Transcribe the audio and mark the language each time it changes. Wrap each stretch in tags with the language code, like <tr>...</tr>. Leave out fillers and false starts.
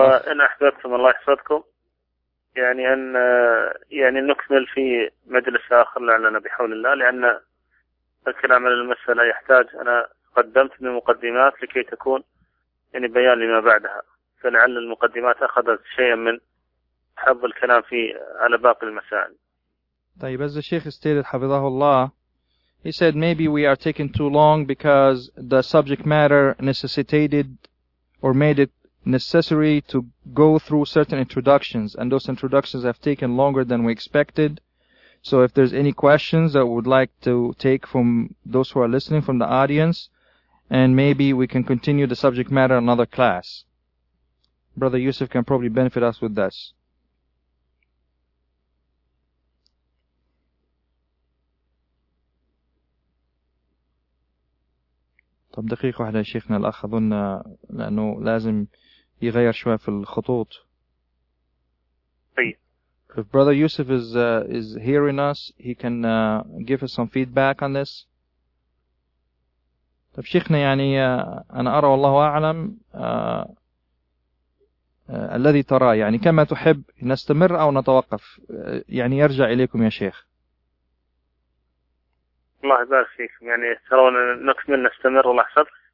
<ar>وإن أحببتم الله يحفظكم يعني أن يعني نكمل في مجلس آخر لعلنا بحول الله لأن الكلام على المسألة يحتاج أنا قدمت من مقدمات لكي تكون يعني بيان لما بعدها فلعل المقدمات أخذت شيئا من حب الكلام في على باقي المسائل</ar> <en>طيب as the Sheikh stated حفظه الله he said maybe we are taking too long because the subject matter necessitated or made it necessary to go through certain introductions and those introductions have taken longer than we expected so if there's any questions that we would like to take from those who are listening from the audience and maybe we can continue the subject matter in another class brother Yusuf can probably benefit us with this طب دقيقة واحدة يا شيخنا الأخ أظن لأنه لازم يغير شوية في الخطوط.</en> <ar>طيب.</ar> <en>If brother Yusuf is hearing us, he can give us some feedback on this.</en> <ar>طب شيخنا يعني أنا أرى والله أعلم الذي ترى يعني كما تحب نستمر أو نتوقف يعني يرجع إليكم يا شيخ. الله يبارك فيكم يعني ترون نكمل نستمر الله يحفظك</ar>